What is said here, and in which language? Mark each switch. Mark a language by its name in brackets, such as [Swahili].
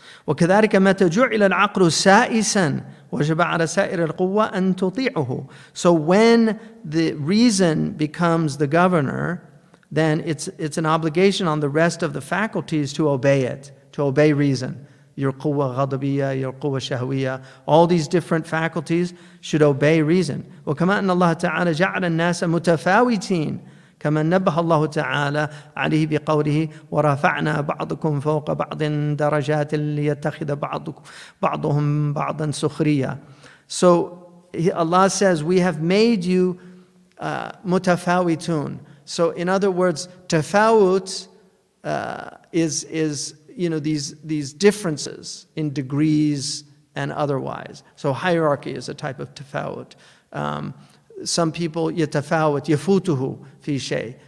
[Arabic] وكذلك متى جعل العقل سائسا وجب على سائر القوة أن تطيعه. [English] So when the reason becomes the governor, then it's an obligation on the rest of the faculties to obey it, to obey reason. Your قوة غضبية, your قوة شهوية, all these different faculties should obey reason. [Arabic] وكما أن الله تعالى جعل الناس متفاوتين كما نبه الله تعالى عليه بقوله ورفعنا بعضكم فوق بعض درجات ليتخذ بعضهم بعضا سخرية. [English] So Allah says, we have made you متفاوتون. So in other words, tafawut is you know, these differences in degrees and otherwise. So hierarchy is a type of tafawut. Some people [Arabic] yatafawut yafutuhu fi shay.